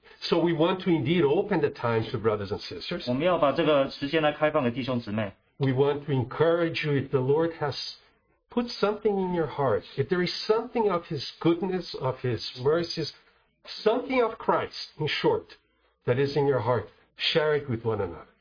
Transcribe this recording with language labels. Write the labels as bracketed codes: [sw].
[en] So we want to indeed open the time to brothers and sisters. [zh] 我们要把这个时间来开放给弟兄姊妹。 [en] We want to encourage you if the Lord has put something in your heart, if there is something of His goodness, of His mercies, something of Christ, in short, that is in your heart, share it with one another.